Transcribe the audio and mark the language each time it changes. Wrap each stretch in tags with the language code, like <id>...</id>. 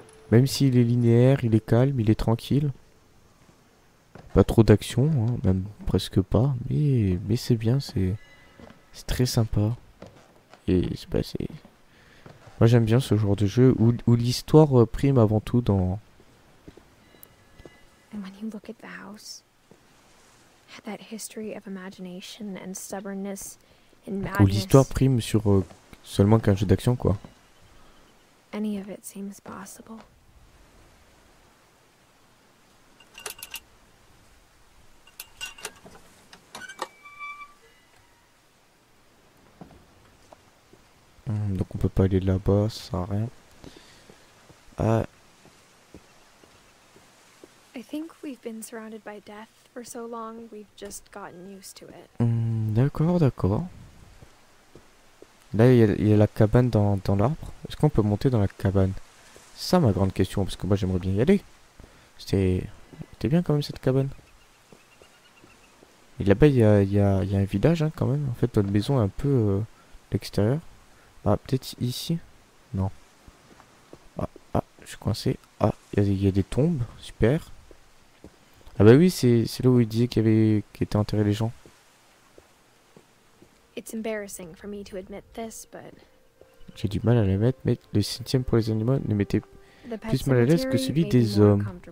<fr>Même s'il est linéaire, il est calme, il est tranquille. Pas trop d'action, hein, même presque pas. Mais c'est bien, c'est très sympa. Et c'est pas assez. Moi j'aime bien ce genre de jeu où l'histoire prime avant tout dans.</fr> <en>And when you look at the house, that history of imagination and stubbornness and madness.</en> <fr>Où l'histoire prime sur seulement qu'un jeu d'action quoi.</fr> <en>Any of it seems possible.</en> <fr>Donc on peut pas aller là-bas, ça sert à rien.</fr> <en>I think we've been surrounded by death for so long, we've just gotten used to it.</en> <fr>D'accord, d'accord. Là, il y a la cabane dans l'arbre. Est-ce qu'on peut monter dans la cabane? Ça, ma grande question, parce que moi, j'aimerais bien y aller. C'était bien quand même, cette cabane. Et là-bas, il y a un village, hein, quand même. En fait, notre maison est un peu l'extérieur. Ah, peut-être ici? Non. Ah, je suis coincé. Ah, il y a des tombes. Super. Ah bah oui, c'est là où il disait qu'il était enterré les gens.</fr> <en>It's embarrassing for me to admit this, but...</en> <fr>J'ai du mal à l'admettre, mais le cimetière pour les animaux ne mettait plus mal à l'aise que celui des hommes.</fr>